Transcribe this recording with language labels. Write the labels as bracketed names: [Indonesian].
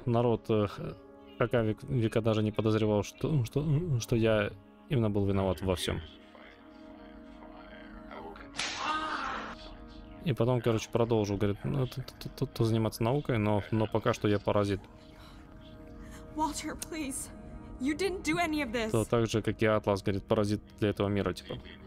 [Russian] народ пока века даже не подозревал, что я именно был виноват во всем. И потом, короче, продолжил, говорит, ну то заниматься наукой, но пока что я паразит. [English] Walter, please, you didn't do any of this. [Russian] То так же, как и Атлас, говорит, паразит для этого мира, типа.